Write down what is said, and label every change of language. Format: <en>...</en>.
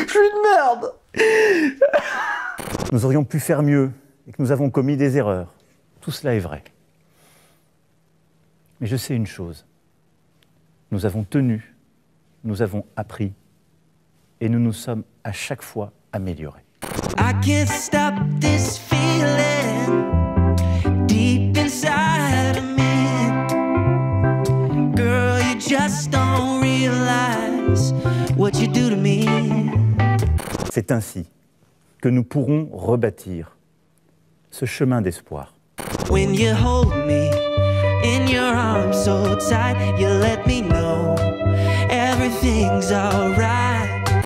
<fr>Je suis une merde. Nous aurions pu faire mieux et que nous avons commis des erreurs. Tout cela est vrai. Mais je sais une chose. Nous avons tenu, nous avons appris et nous nous sommes à chaque fois améliorés.</fr> <en>I can't stop this feeling deep inside of me. Girl, you just don't realize what you do to me.</en> <fr>C'est ainsi que nous pourrons rebâtir ce chemin d'espoir.</fr> <en>When you hold me in your arms so tight, you let me know everything's alright.</en>